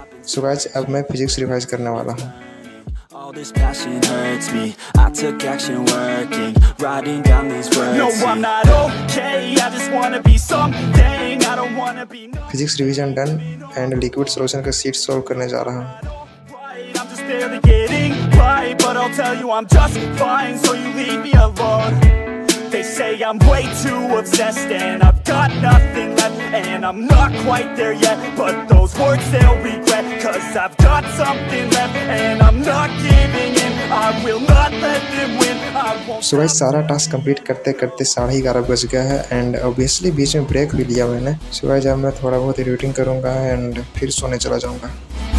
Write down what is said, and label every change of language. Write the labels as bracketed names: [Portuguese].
[Hindi] So guys, अब मैं physics revise करने वाला हूँ। [English] All this passion hurts me. I took action working, writing down these words. No, I'm not okay. I just wanna be something. I don't wanna be no. Physics revision done and liquid solution [Hindi] ka [English] sheet solve [Hindi] karne ja raha hu. [English] I'm just barely getting right, but I'll tell you I'm just fine, so you leave me alone. They say I'm way too obsessed and I've got nothing left. And I'm not quite there yet, but those words they'll regret. Cause I've got something left and I'm not giving in. I will not let them win. [Hindi] So guys, सारा task complete करते करते 11:30 बज गया है and obviously बीच में break भी लिया मैंने। सो गाइस, मैं थोड़ा बहुत एडिटिंग करूंगा एंड फिर सोने चला जाऊंगा।